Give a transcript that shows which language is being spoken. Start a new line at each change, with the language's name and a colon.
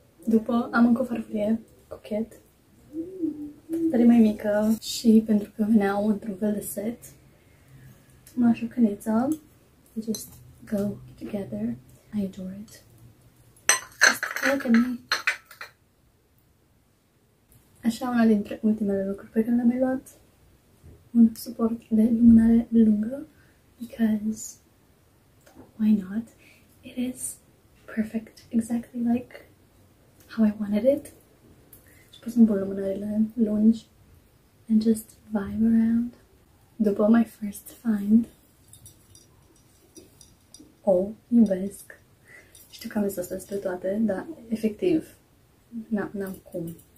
Romanian: După am încă o farfurie, cochet, dar e mai mică și pentru că veneau într-un fel de set, am așa căneță,
English: they just go together. I adore it. Just look at me.
Romanian: Așa, una dintre ultimele lucruri pe care le-am mai luat. Un suport de lumânare lungă,
English: because why not? It is perfect, exactly like how I wanted it.
Romanian: Și pot să-mi pun lumânările lungi
English: and just vibe around.
Romanian: După
English: my first find, oh,
Romanian: iubesc. Știu că am zis asta pe toate, dar efectiv, n-am cum.